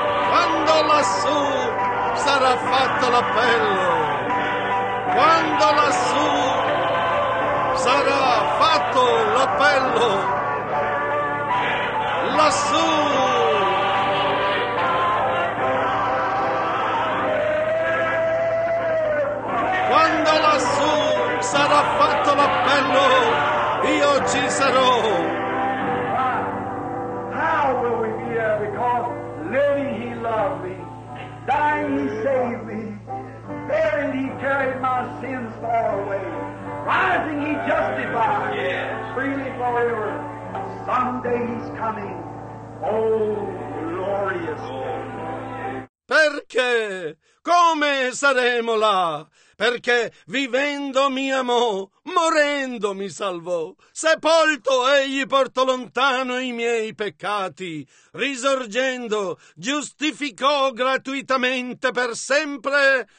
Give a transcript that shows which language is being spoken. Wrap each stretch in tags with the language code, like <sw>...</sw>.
<it>Quando lassù sarà fatto l'appello, quando lassù sarà fatto l'appello, lassù. Quando lassù sarà fatto l'appello, io ci sarò.</it> <en>How will we be there? Because living He loved me, dying He saved me, buried He carried my sins far away, rising He justified me freely forever. Someday He's coming, oh glorious.</en> <it>Perché? Come saremo là? Perché vivendo mi amò, morendo mi salvò. Sepolto egli portò lontano i miei peccati. Risorgendo, giustificò gratuitamente per sempre.</it>